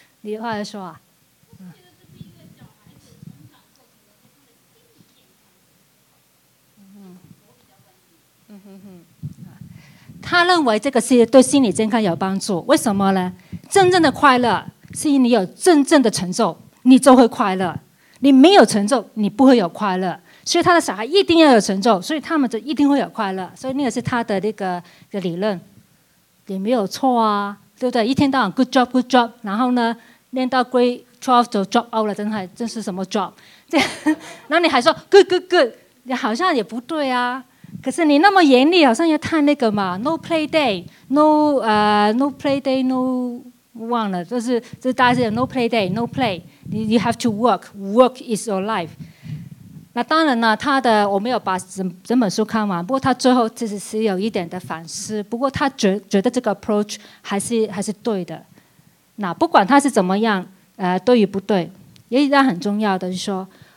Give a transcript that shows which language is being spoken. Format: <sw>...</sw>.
<zh>你话来说啊，他认为这个是对心理健康有帮助，为什么呢？真正的快乐是你有真正的成就，你就会快乐。你没有成就，你不会有快乐。所以他的小孩一定要有成就，所以他们就一定会有快乐。所以那个是他的那个的理论，也没有错啊，对不对？一天到晚</zh> <en>good job good job，</en> <zh>然后呢，练到 grade 12就</zh> <en>drop out</en> <zh>了，真是什么 job？那你还说</zh> <en>good good good，</en> <zh>你好像也不对啊。可是你那么严厉，好像要太那个嘛 ？</zh> <en>No play day, no no play day, no</en> <zh>忘了，就是大家是</zh> <en>no play day, no play. You have to work. Work is your life.</en> <zh>那当然了，他的我没有把整本书看完，不过他最后其实是有一点的反思。不过他觉得这个 approach 还是对的。那不管他是怎么样，对与不对，也一样很重要的是说。</zh>